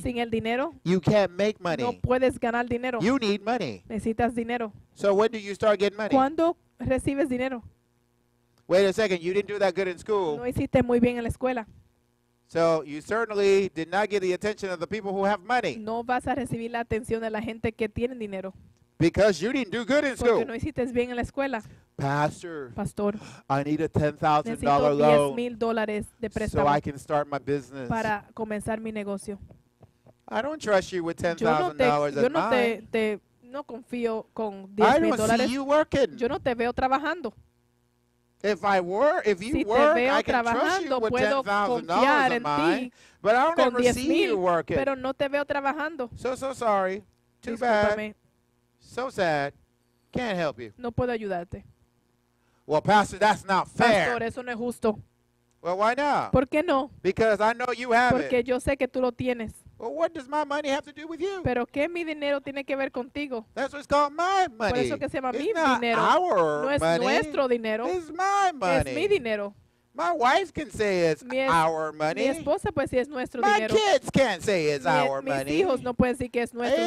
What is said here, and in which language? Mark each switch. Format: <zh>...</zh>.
<es>sin el dinero,</es> <en>you can't make money.</en> <es>No puedes ganar dinero.</es> <en>You need money.</en> <es>Necesitas dinero.</es> <en>So when do you start getting money?</en> <es>¿Cuándo recibes dinero?</es> <en>Wait a second, you didn't do that good in school.</en> <es>No hiciste muy bien en la escuela.</es> <en>So you certainly did not get the attention of the people who have money.</en> <es>No vas a recibir la atención de la gente que tienen dinero.</es> <en>Because you didn't do good in school.</en> <es>Porque no hiciste bien en la escuela.</es> <en>Pastor, I need a $10,000 loan</en> <es>de préstamo</es> <en>so I can start my business.</en> <es>Para comenzar mi negocio.</es> <en>I don't trust you with $10,000 at mine.</en> <es>No confío con $10,000.</es> <en>See you working.</en> <es>Yo no te veo trabajando.</es> <en>If I work, I can trust you with $10,000 of mine, but I don't ever see you working.</en> <es>Pero no te veo trabajando.</es> <en>So sorry. Too bad. So sad. Can't help you.</en> <es>No puedo ayudarte.</es> <en>Well, Pastor, that's not fair.</en> <es>Pastor, eso no es justo.</es> <en>Well, why not?</en> <es>¿Por qué no?</es> <en>Because I know you have</en> <es>Porque</es> <en>it.</en> <es>Yo sé que tú lo tienes.</es> <en>Well, what does my money have to do with you?</en> <es>¿Pero qué mi dinero tiene que ver contigo?</es> <en>That's what's called my money.</en> <es>Por eso que se llama</es> <en>it's</en> <es>mi</es> <en>not</en> <es>dinero.</es> <en>Our</en> <es>no es</es> <en>money.</en> <es>Nuestro dinero.</es> <en>It's my money.</en> <es>Es mi dinero.</es> <en>My wife can say it's our money.</en> <es>Mi esposa puede decir es nuestro</es> <en>my</en> <es>dinero.</es> <en>My kids can't say it's our money.</en> <es>Mis hijos no pueden decir que es nuestro</es>